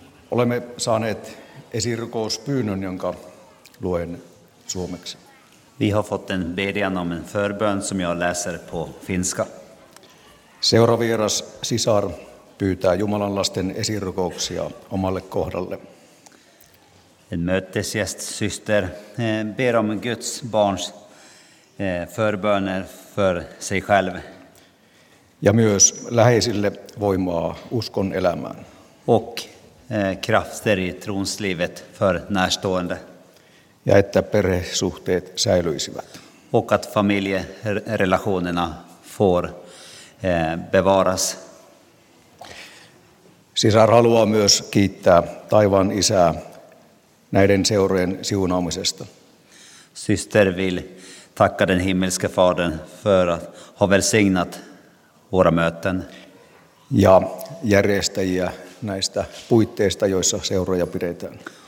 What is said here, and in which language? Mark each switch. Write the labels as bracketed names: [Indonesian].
[Finnish] Olemme saaneet esirukouspyynnön, jonka luen suomeksi. [Swedish] Vi har fått en bedjan om en förbön som jag läser på finska. [Finnish] Seuravieras sisar pyytää Jumalan lasten esirukouksia omalle kohdalle. [Swedish] En mötesgäst syster ber om Guds barns förböner för sig själv. [Finnish] Ja myös läheisille voimaa uskon elämään. [Swedish] Och krafter i tronslivet för närstående. [Finnish] Ja että perhesuhteet säilyisivät. [Swedish] Och att familjerelationerna får bevaras. [Finnish] Sisar haluaa myös kiittää taivaan isää näiden seurojen siunaamisesta. [Swedish] Syster vill tacka den himmelske fadern för att ha välsignat våra möten. [Finnish] Ja järjestäjiä näistä puitteista, joissa seuroja pidetään.